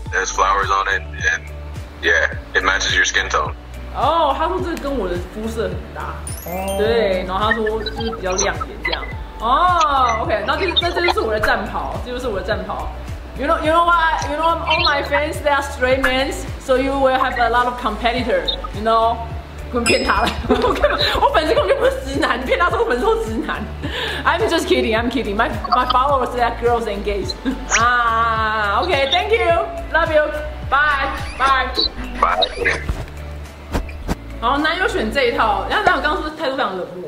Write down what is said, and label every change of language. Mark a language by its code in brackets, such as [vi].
[en] There's flowers on it, and yeah, it matches your skin tone. [zh] 哦、oh, ，他说这跟我的肤色很搭， oh. 对，然后他说就是比较亮眼这样。哦、oh, ，OK， 那这就是我的战袍，这就是我的战袍。 [en] You know all my fans they are straight men, so you will have a lot of competitor, you know? [zh] 我骗他了，我粉丝根本就不是直男，骗他说我粉丝是直男。 [en] I'm just kidding, I'm kidding. My followers are girls engaged. Okay, thank you, love you, bye, bye, bye. [zh] 好，男友选这一套，然后男友刚刚是态度非常冷漠，